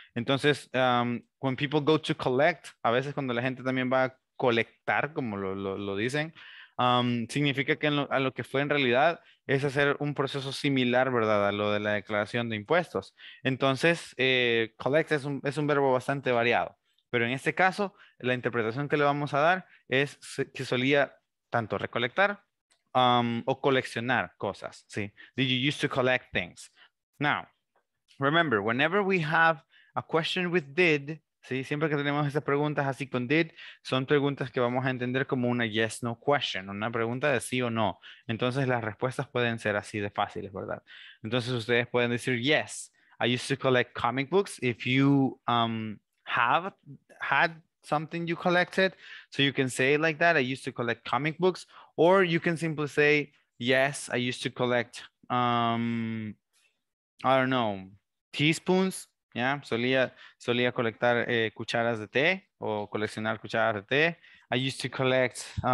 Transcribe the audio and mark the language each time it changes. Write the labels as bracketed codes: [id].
[es] Entonces, [en] when people go to collect, [es] a veces cuando la gente también va a colectar, como lo dicen, significa que a lo que fue en realidad es hacer un proceso similar, ¿verdad?, a lo de la declaración de impuestos. Entonces, collect es un verbo bastante variado. Pero en este caso, la interpretación que le vamos a dar es que solía tanto recolectar o coleccionar cosas, ¿sí? [en] Did you used to collect things? Now, remember, whenever we have a question with did, ¿sí? [es] Siempre que tenemos esas preguntas así con did, son preguntas que vamos a entender como una [en] yes, no question, [es] una pregunta de sí o no. Entonces, las respuestas pueden ser así de fáciles, ¿verdad? Entonces, ustedes pueden decir, [en] yes, I used to collect comic books. If you had something you collected, so you can say it like that, I used to collect comic books, or you can simply say, yes, I used to collect, I don't know, teaspoons, yeah, [es] solía colectar cucharas de té, [en] o coleccionar cucharas de té, I used to collect